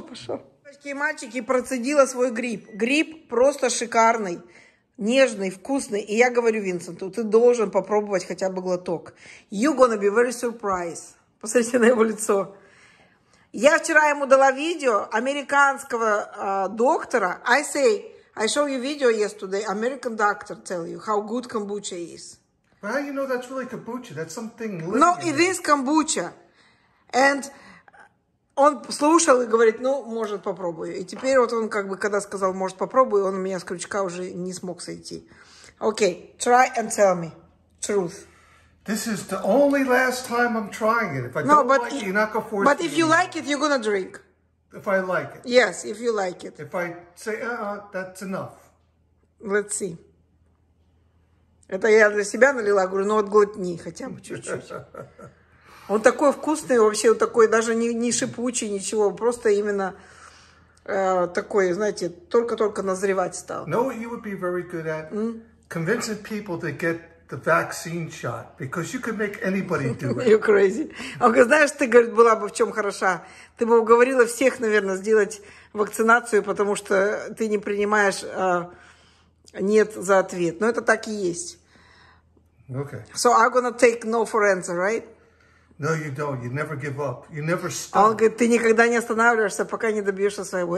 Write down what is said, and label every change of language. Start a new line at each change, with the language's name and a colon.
Russian: Девочки и мальчики, процедила свой гриб. Гриб просто шикарный. Нежный, вкусный. И я говорю Винсенту, ты должен попробовать хотя бы глоток.
English: You gonna be very surprised.
Russian: Посмотрите на его лицо. Я вчера ему дала видео американского доктора.
English: I say, I show you video yesterday. American doctor tell you how good kombucha is. How you know that's really kombucha? That's something living. No, it is kombucha.
Russian: And он слушал и говорит, ну, может, попробую. И теперь вот он как бы, когда сказал, может, попробую, он у меня с крючка уже не смог сойти.
English: Okay, try and tell me truth. This is the only last time I'm trying it. If I no, don't like it, you're not going to force me. But if you like it, you're going to drink. If I like it. Yes, if you like it. If I say, that's enough. Let's see.
Russian: Это я для себя налила, говорю, ну вот глотни хотя бы чуть-чуть. Он такой вкусный, вообще вот такой, даже не шипучий, ничего, просто именно такой, знаете, только-только назревать стал.
English: Know what you would be very good at? Mm? Convincing people to get the vaccine shot, because you could make anybody do it. You crazy.
Russian: Он говорит, знаешь, ты, говорит, была бы в чем хороша. Ты бы уговорила всех, наверное, сделать вакцинацию, потому что ты не принимаешь нет за ответ. Но это так и есть.
English: Okay. So I'm gonna take no for answer, right? No, you don't. You never give up. You never stop.
Russian: Он говорит, ты никогда не останавливаешься, пока не добьешься своего.